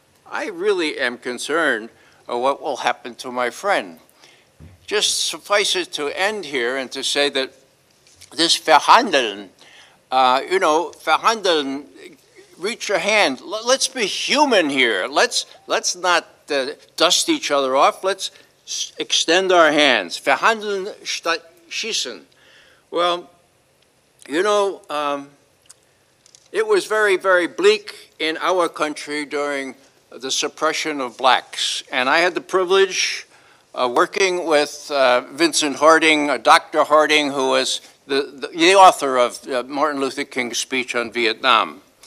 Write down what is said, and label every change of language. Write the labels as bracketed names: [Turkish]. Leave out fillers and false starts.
[English] I really am concerned of what will happen to my friend. Just suffice it to end here and to say that this verhandeln, you know, verhandeln, reach your hand. Let's be human here. Let's not dust each other off. Let's extend our hands. [German] Verhandeln statt schießen. [English] Well, you know, it was very, very bleak in our country during the suppression of blacks. And I had the privilege of working with Vincent Harding, Dr. Harding, who was the author of Martin Luther King's speech on Vietnam.